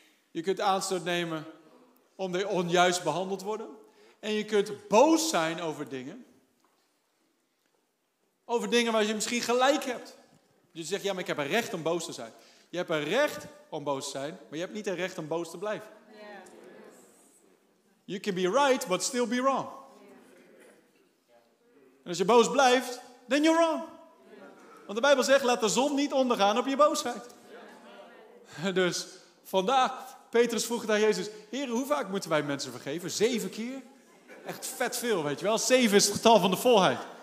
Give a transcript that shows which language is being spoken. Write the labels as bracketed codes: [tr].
[nl] Je kunt aanstoot nemen om onjuist behandeld worden. En je kunt boos zijn over dingen. Over dingen waar je misschien gelijk hebt. Je zegt, ja, maar ik heb een recht om boos te zijn. Je hebt een recht om boos te zijn, maar je hebt niet een recht om boos te blijven. [en] Yeah. You can be right, but still be wrong. Yeah. [nl] En als je boos blijft, [en] then you're wrong. Yeah. [nl] Want de Bijbel zegt, laat de zon niet ondergaan op je boosheid. Yeah. Dus vandaag, Petrus vroeg het aan Jezus, Heer, hoe vaak moeten wij mensen vergeven? 7 keer? Echt vet veel, weet je wel. 7 is het getal van de volheid.